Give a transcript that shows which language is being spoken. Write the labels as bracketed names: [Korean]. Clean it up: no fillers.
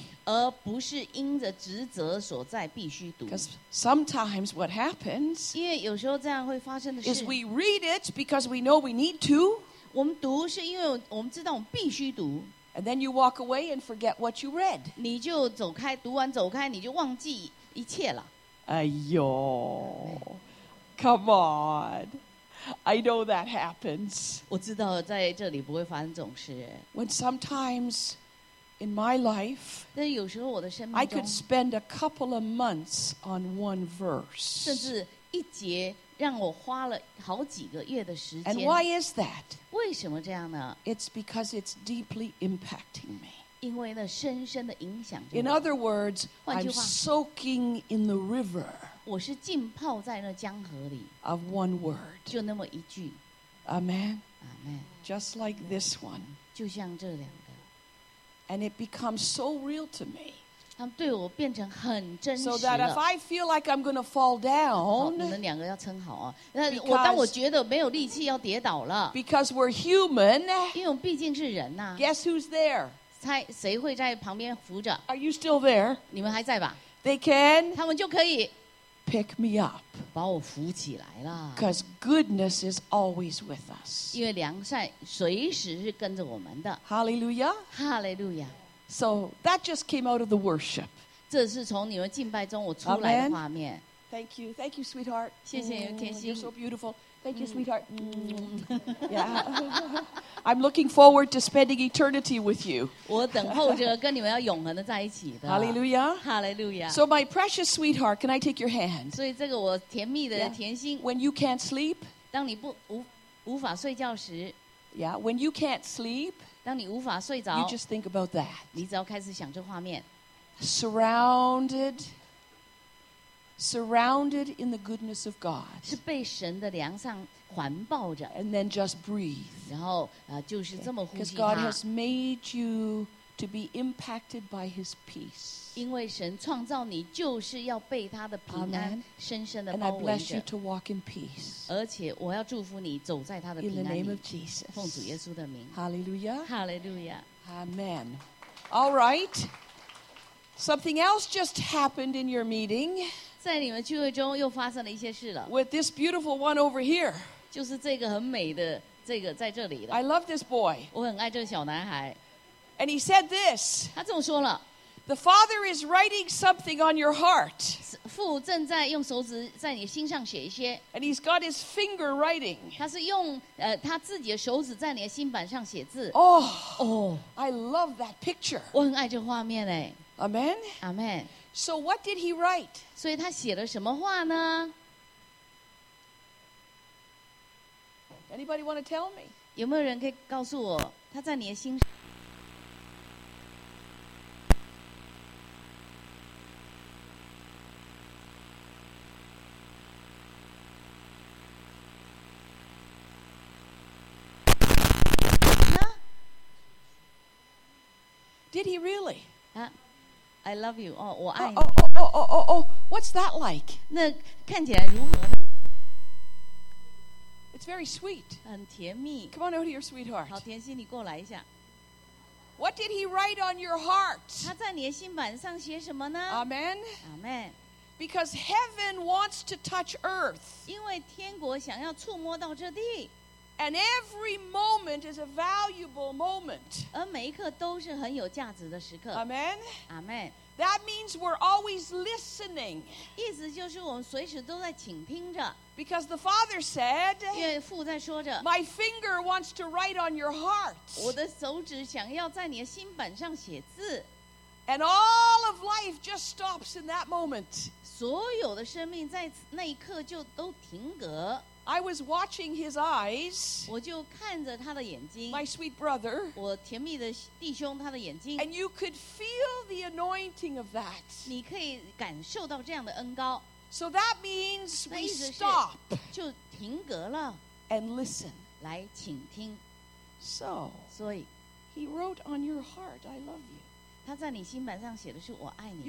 [Chinese] 而不是因着职责所在必须读。 [English] Because sometimes what happens, [Chinese] 因为有时候这样会发生的事， [English] is we read it because we know we need to. [Chinese] 我们读是因为我们知道我们必须读。 [English] And then you walk away and forget what you read. [Chinese] 你就走开，读完走开，你就忘记一切了。 [English] 哎呦 ，Come on. I know that happens. [Chinese] 我知道在这里不会发生这种事。 [English] When sometimes in my life, [Chinese] 但有时候我的生命 [English] 中 I could spend a couple of months on one verse. [Chinese] 甚至一节让我花了好几个月的时间。 [English] And why is that? [Chinese] 为什么这样呢？ [English] It's because it's deeply impacting me. [Chinese] 因为那深深的影响着 [English] 我。In other words, I'm soaking in the river. [Chinese] 我是浸泡在那江河里。 [English] Of one word, [Chinese] 就那么一句。 [English] Amen. Amen. Just like this one, [Chinese] 就像这两个。 [English] And it becomes so real to me. So that if I feel like I'm going to fall down, [Chinese] 哦，你们两个要撑好哦。那我当我觉得没有力气要跌倒了。 [English] Because we're human. [Chinese] 因为我们毕竟是人啊。 [English] Guess who's there? [Chinese] 猜谁会在旁边扶着？ [English] Are you still there? [Chinese] 你们还在吧？ [English] They can. [Chinese] 他们就可以。 [English] Pick me up. [Chinese] 把我扶起来了。 [English] Because goodness is always with us. [Chinese] 因为良善随时是跟着我们的。 [English] Hallelujah. Hallelujah. So that just came out of the worship. [Chinese] 这是从你们敬拜中我出来的画面。 [English] Thank you, sweetheart. [Chinese] 谢谢甜心。 [English] You're so beautiful. Thank you, sweetheart. Yeah. I'm looking forward to spending eternity with you. [Chinese] 我等候着跟你们要永恒的在一起的。 [English] Hallelujah. Hallelujah. So my precious sweetheart, can I take your hand? [Chinese] 所以这个我甜蜜的甜心。 [English] When you can't sleep. [Chinese] 当你无法睡觉时。 [English] Yeah, when you can't sleep. [Chinese] 当你无法睡着 [English] you just think about that. [Chinese] 你只要开始想这画面 [English] Surrounded in the goodness of God [Chinese] 是被神的良善环抱着 [English] And then just breathe [Chinese] 然后就是这么呼吸 [English] Because God has made you to be impacted by His peace [Chinese] 因为神创造你就是要被他的平安深深的包围 [English] 着 And I bless you to walk in peace [Chinese] 而且我要祝福你走在他的平安里 [English] In the name of Jesus [Chinese] 奉主耶稣的名 [English] Hallelujah Hallelujah Amen All right Something else just happened in your meeting [Chinese] 在你们聚会中又发生了一些事了 [English] With this beautiful one over here [Chinese] 就是这个很美的这个在这里了 [English] I love this boy [Chinese] 我很爱这个小男孩 [English] And he said this, [Chinese] 他这么说了 [English] the Father is writing something on your heart. [Chinese] 父正在用手指在你心上写一些 [English] And he's got his finger writing. [Chinese] 他是用他自己的手指在你的心板上写字 [English] Oh, oh, I love that picture. [Chinese] 我很爱这画面耶 [English] Amen? Amen. So what did he write? [Chinese] 所以他写了什么话呢 [English] Anybody want to tell me? [Chinese] 有没有人可以告诉我他在你的心上 [English] Did he really? I love you. Oh, [Chinese] 我爱你。 [English] What's that like? [Chinese] 那看起来如何呢？ [English] It's very sweet. [Chinese] 很甜蜜。 [English] Come on over to your sweetheart. [Chinese] 好，甜心，你过来一下。 [English] What did he write on your heart? [Chinese] 他在你的心板上写什么呢？ [English] Amen. Amen. Because heaven wants to touch earth. [Chinese] 因为天国想要触摸到这地。 [English] And every moment is a valuable moment. [Chinese] 而每一刻都是很有价值的时刻。 [English] Amen. Amen. That means we're always listening. [Chinese] 意思就是我们随时都在倾听着。 [English] Because the Father said, [Chinese] 因为父在说着 [English] My finger wants to write on your heart. [Chinese] 我的手指想要在你的心板上写字。 [English] And all of life just stops in that moment. [Chinese] 所有的生命在那一刻就都停格。 [English] I was watching his eyes. [Chinese] 我就看着他的眼睛。 [English] My sweet brother. [Chinese] 我甜蜜的弟兄，他的眼睛。 [English] And you could feel the anointing of that. [Chinese] 你可以感受到这样的恩膏。 [English] So that means we stop. [Chinese] 就停格了。 [English] And listen. [Chinese] 来倾听。 [English] So. [Chinese] 所以。 [English] He wrote on your heart, "I love you." [Chinese] 他在你心板上写的是“我爱你”。